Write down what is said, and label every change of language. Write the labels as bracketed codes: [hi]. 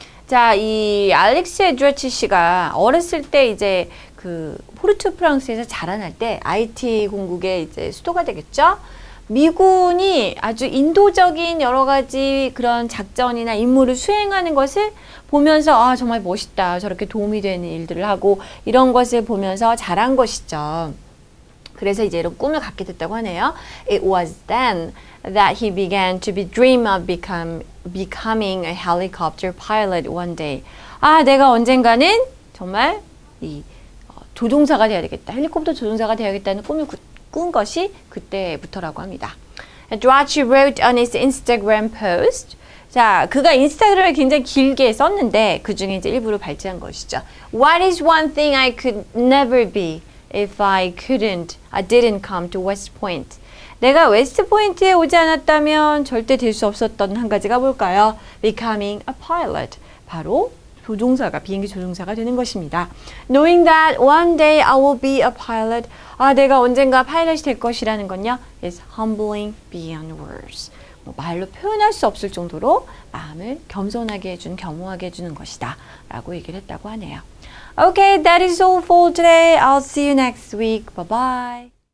[ko] 자, 이 알렉스 에드워치 씨가 어렸을 때 이제 그 포르투프랑스에서 자라날 때 IT 공국의 이제 수도가 되겠죠? 미군이 아주 인도적인 여러 가지 그런 작전이나 임무를 수행하는 것을 보면서 아 정말 멋있다 저렇게 도움이 되는 일들을 하고 이런 것을 보면서 자란 것이죠. 그래서 이제 이런 꿈을 갖게 됐다고 하네요. [en] It was then that he began to be dream of becoming a helicopter pilot one day. [ko] 아 내가 언젠가는 정말 이 조종사가 되어야 되겠다 헬리콥터 조종사가 되어야겠다는 꿈을 꾼 것이 그때부터라고 합니다. [en] Adrachi wrote on his Instagram post. [ko] 자, 그가 인스타그램에 굉장히 길게 썼는데 그 중에 이제 일부를 발췌한 것이죠. [en] What is one thing I could never be if I couldn't, I didn't come to West Point? [ko] 내가 웨스트포인트에 오지 않았다면 절대 될 수 없었던 한 가지가 뭘까요? [en] Becoming a pilot. [ko] 바로 조종사가 비행기 조종사가 되는 것입니다. [en] Knowing that one day I will be a pilot, [ko] 아 내가 언젠가 파일럿이 될 것이라는 건요, [en] is humbling beyond words. [ko] 뭐 말로 표현할 수 없을 정도로 마음을 겸손하게 해준, 겸허하게 해주는 것이다라고 얘기를 했다고 하네요. [en] Okay, that is all for today. I'll see you next week. Bye bye.